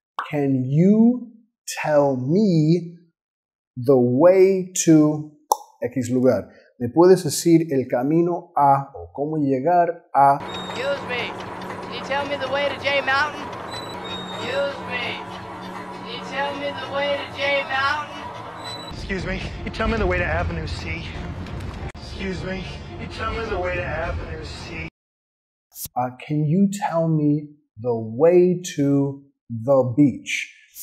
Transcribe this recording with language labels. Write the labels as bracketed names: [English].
[English] Can you tell me the way to X lugar? [Spanish] ¿Me puedes decir el camino a o cómo llegar a? [English] Excuse me. Can you tell me the way to J Mountain? Excuse me. Can you tell me the way to J Mountain? Excuse me. Can you tell me the way to Avenue C? Excuse me. Can you tell me the way to Avenue C? Can you tell me the way to the beach?